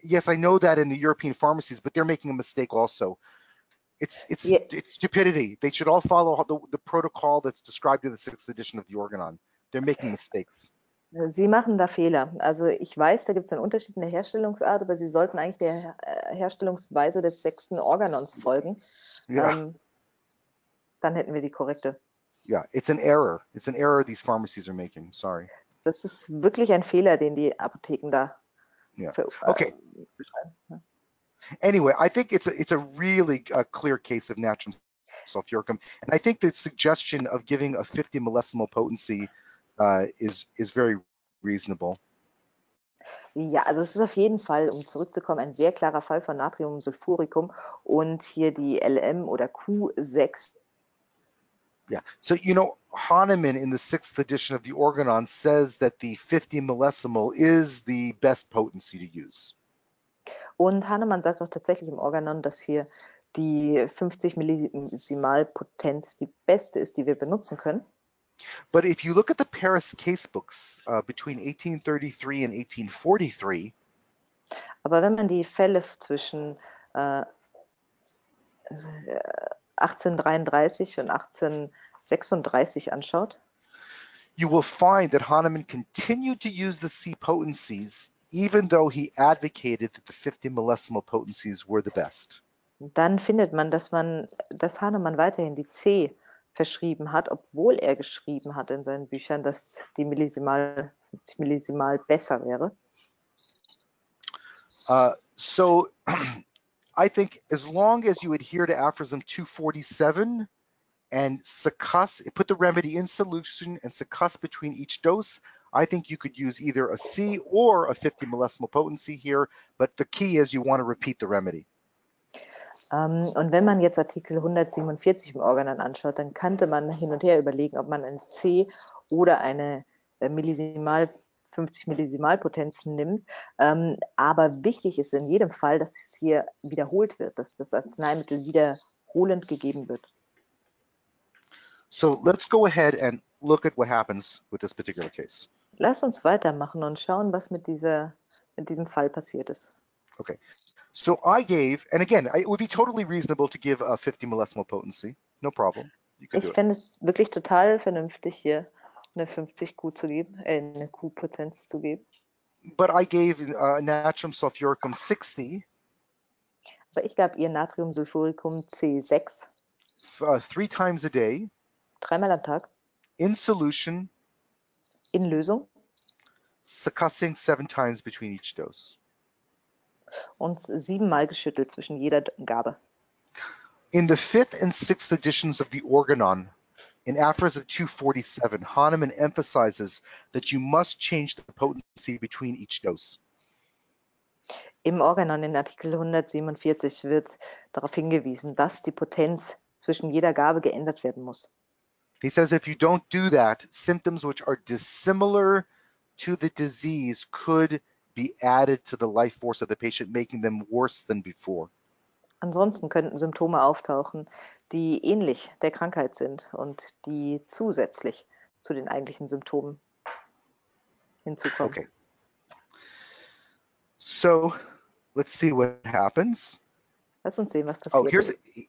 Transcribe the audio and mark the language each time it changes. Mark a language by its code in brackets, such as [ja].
[en] Yes, I know that in the European pharmacies, but they're making a mistake also. It's stupidity. They should all follow the protocol that's described in the sixth edition of the Organon. They're making mistakes. [de] Sie machen da Fehler. Also ich weiß, da gibt es einen Unterschied in der Herstellungsart, aber Sie sollten eigentlich der Herstellungsweise des sechsten Organons folgen. [en] Yeah. [de] Dann hätten wir die korrekte. [en] Yeah, it's an error. It's an error these pharmacies are making. Sorry. [de] Das ist wirklich ein Fehler, den die Apotheken da [en] Yeah. Okay. [de] schreiben. [en] Anyway, I think it's a really clear case of natron sulfuricum. And I think the suggestion of giving a 50 millesimal potency is very reasonable. [de] Ja, also es ist auf jeden Fall, um zurückzukommen, ein sehr klarer Fall von Natriumsulfuricum und hier die LM oder Q6. [en] Yeah, so you know, Hahnemann in the sixth edition of the Organon says that the 50 millesimal is the best potency to use. [de] Und Hahnemann sagt auch tatsächlich im Organon, dass hier die 50 Millisimalpotenz die beste ist, die wir benutzen können. [en] But if you look at the Paris case books between 1833 and 1843, [de] Aber wenn man die Fälle zwischen 1833 und 1836 anschaut, [en] you will find that Hahnemann continued to use the C potencies, even though he advocated that the 50 millesimal potencies were the best. [de] dann findet man, dass Hahnemann weiterhin die C verschrieben hat, obwohl er geschrieben hat in seinen Büchern, dass die Millisimal besser wäre. [en] So I think as long as you adhere to aphorism 247, and succuss, put the remedy in solution and succuss between each dose, I think you could use either a C or a 50 millesimal potency here, but the key is you want to repeat the remedy. [de] Und wenn man jetzt Artikel 147 im Organon anschaut, dann könnte man hin und her überlegen, ob man ein C oder eine millisimal 50 Millisimalpotenz nimmt. Aber wichtig ist in jedem Fall, dass es hier wiederholt wird, dass das Arzneimittel wiederholend gegeben wird. [en] So let's go ahead and look at what happens with this particular case. [de] Lass uns weitermachen und schauen, was mit diesem Fall passiert ist. [en] Okay. So I gave, and again, it would be totally reasonable to give a 50 millesimal potency. No problem. [de] Ich fände es wirklich total vernünftig, hier eine 50 Q zu geben, eine Q-Potenz zu geben. [en] But I gave natrium sulfuricum 60. [de] Aber ich gab ihr natrium sulfuricum C6. [en] Three times a day. [de] Dreimal am Tag. [en] In solution. [de] In Lösung. [en] Succussing seven times between each dose. [de] Und siebenmal geschüttelt zwischen jeder Gabe. [en] In the fifth and sixth editions of the Organon, in aphorism 247, Hahnemann emphasizes that you must change the potency between each dose. [de] Im Organon, in Artikel 147, wird darauf hingewiesen, dass die Potenz zwischen jeder Gabe geändert werden muss. [en] He says, if you don't do that, symptoms which are dissimilar to the disease could be added to the life force of the patient, making them worse than before. [de] Ansonsten könnten Symptome auftauchen, die ähnlich der Krankheit sind und die zusätzlich zu den eigentlichen Symptomen hinzukommen. [en] Okay. So, let's see what happens. [de] Lass uns sehen, was passiert.